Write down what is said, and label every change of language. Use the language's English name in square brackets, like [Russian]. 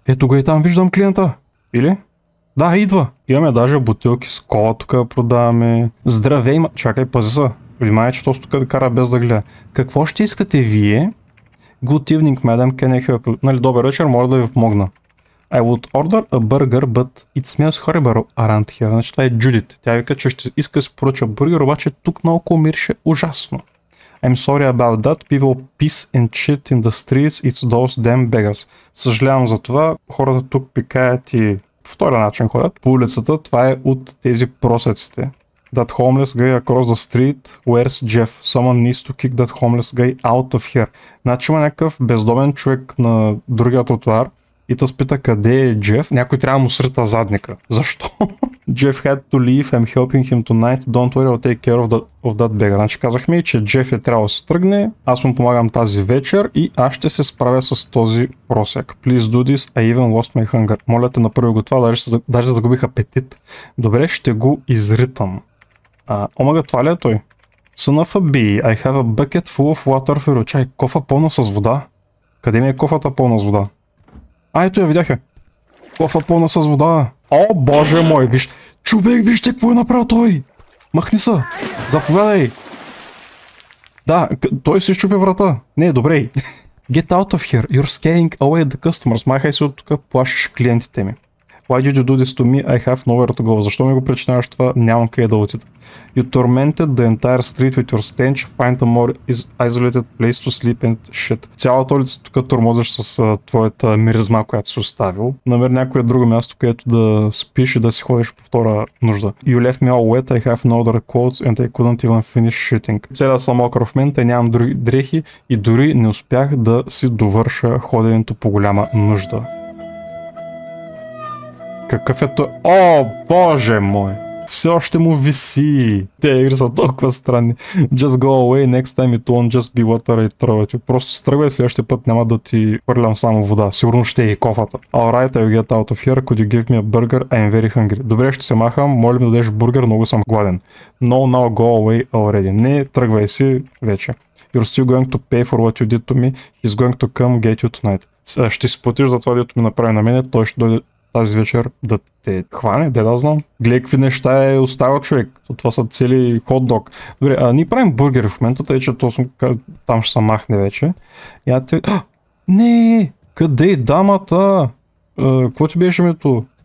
[Bulgarian] Ето го и там виждам клиента. Или? Да, идва. Имаме даже бутилки с кола тук да продаваме. Здравей, ма... Чакай, пази се. Внимай, че този тук да кара без да гледа. Какво ще искате вие? [English] Good evening, madam. Can I help you? [Bulgarian] Нали, добър вечер, може да ви помогна. [English] I would order a burger, but it smells horrible around here. [Bulgarian] Значи това е Джудит. Тя вика, че ще иска да поръча бургер, обаче тук наоколо мирише ужасно. [English] I'm sorry about that. People piss and shit in the streets. It's those damn beggars. [Bulgarian] Съжалявам за това. Хората тук пикаят и... Втория начин ходят по улицата, това е от тези просеците. [English] That homeless guy across the street, where's Jeff? Someone needs to kick that homeless guy out of here. [Bulgarian] Значи има някакъв бездомен човек на другия тротуар и тъс пита къде е Джеф. Някой трябва му срита задника. Защо? [English] Jeff had to leave, I'm helping him tonight, don't worry, I'll take care of that beggar. [Bulgarian] Значи казахме, че Джеф е трябва да се тръгне, аз му помагам тази вечер и аз ще се справя с този просяк. [English] Please do this, I even lost my hunger. [Bulgarian] Моля те, направи го това, даже загубих апетит. Добре, ще го изритам. Омага, това ли е той? [English] Son of a bee, I have a bucket full of water for you. [Bulgarian] Чай, кофа пълна с вода? Къде ми е кофата пълна с вода? А, ето я, видях я. Кофа пълна с вода. О, боже мой, вижте. Човек, вижте какво е направил той. Махни се. Заповядай. Да, той се щупи врата. Не, добре. [English] Get out of here. You're scaring away the customers. [Bulgarian] Махай се от тук, плашиш клиентите ми. [English] Why did you do this to me? I have nowhere to go. [Bulgarian] Защо ми го причиняваш това? Нямам къде да отида. [English] You tormented the entire street with your stench. Find a more isolated place to sleep and shit. [Bulgarian] Цялата улица тук тормозиш с твоята миризма, която си оставил. Намери някое друго място, където да спиш и да си ходиш по втора нужда. [English] You left me all wet. I have no other clothes and I couldn't even finish shitting. [Bulgarian] Целя съм мокър в мен, нямам други дрехи и дори не успях да си довърша ходенето по голяма нужда. Какъв е той? О, боже мой! Все още му виси! Те игри са толкова странни. [English] Just go away, next time it won't just be water and throw you. [Bulgarian] Просто стръгвай, следващия път няма да ти хвърлям само вода. Сигурно ще е и кофата. [English] Alright, I'll get out of here. Could you give me a burger? I'm very hungry. [Bulgarian] Добре, ще се махам. Моля ми да дадеш бургер, много съм гладен. [English] No, now go away already. [Bulgarian] Не, тръгвай си вече. [English] You're still going to pay for what you did to me. He's going to come get you tonight. [Bulgarian] Ще си платиш за това, дето ми направи на мене. Той ще дойде тази вечер да те хване, да знам. Гледай какви неща е оставил човек. Това са цели хот дог. Добре, ние правим бургери в момента, тъй че там ще се махне вече. Я те... Не! Къде е дамата? Кво ти беше мето?